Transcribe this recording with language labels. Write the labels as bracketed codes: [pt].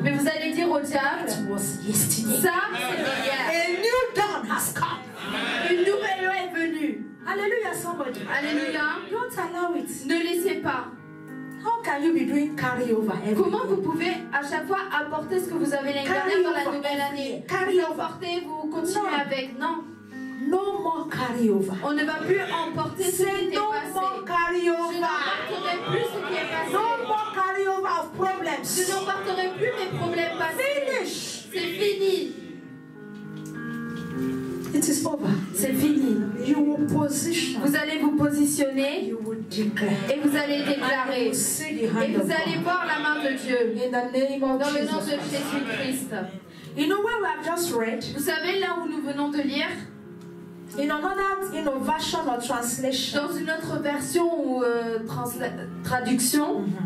[fr] Mais vous allez dire au diable. [en] It was yesterday. [fr] Ça, c'est hier. [en] A new dawn has come. [fr] Une nouvelle heure est venue. [en] Alléluia, somebody. [fr] Alléluia. [en] Don't allow it. [fr] Ne laissez pas. [en] How can you be doing carryover every [fr] Comment vous pouvez à chaque fois apporter ce que vous avez l'incarné dans la nouvelle année? [en] Carryover. [fr] Vous apportez, vous continuez [en] no. [fr] avec. Non. [en] No more carryover. [fr] On ne va plus emporter ce qui est passé. [en] C'est no more carryover. [fr] Je n'emporterai plus ce qui est passé. [en] No more carryover of problems. [fr] Je n'emporterai plus mes problèmes passés. [en] Finish. [fr] C'est fini. [en] It is over. [fr] C'est fini. [en] You will position. [fr] Vous allez vous positionner. [en] You will declare. [fr] Et vous allez déclarer. [en] And you will see the hand [fr] et vous [en] of [fr] allez [en] God. [fr] Voir la main de Dieu. [en] In the name of [fr] Dans [en] Jesus. [fr] Le nom de Jésus-Christ. [en] You know where we have just read? [fr] Vous savez là où nous venons de lire? [en] In another innovation or translation. [fr] Dans une autre version ou traduction.